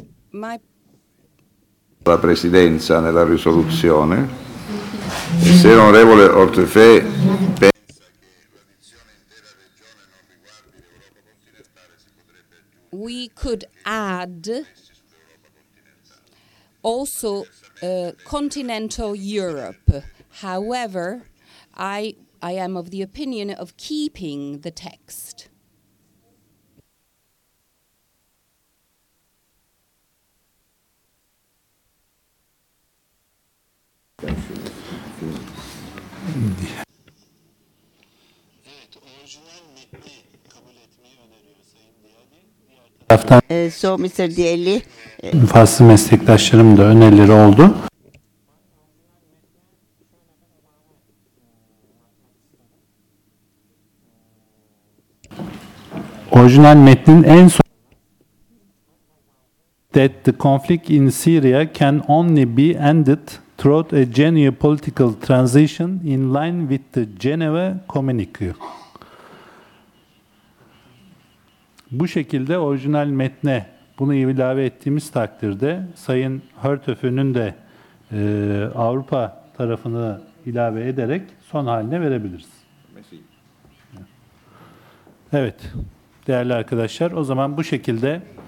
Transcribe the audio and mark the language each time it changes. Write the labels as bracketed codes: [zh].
[en] My [it] alla Presidenza nella risoluzione. Se l'onorevole Ortefè pensa che la missione intera regione non riguardi [en] We could add also continental Europe. However, I am of the opinion of keeping the text. So, Mr. Dielli. [tr] Farklı meslektaşlarım da önerileri oldu. Orijinal metnin en son [en] that the conflict in Syria can only be ended through a genuine political transition in line with the Geneva Communique. [tr] Bu şekilde orijinal metne bunu ilave ettiğimiz takdirde Sayın Hörtöfü'nün de Avrupa tarafını ilave ederek son haline verebiliriz. Evet. Değerli arkadaşlar, o zaman bu şekilde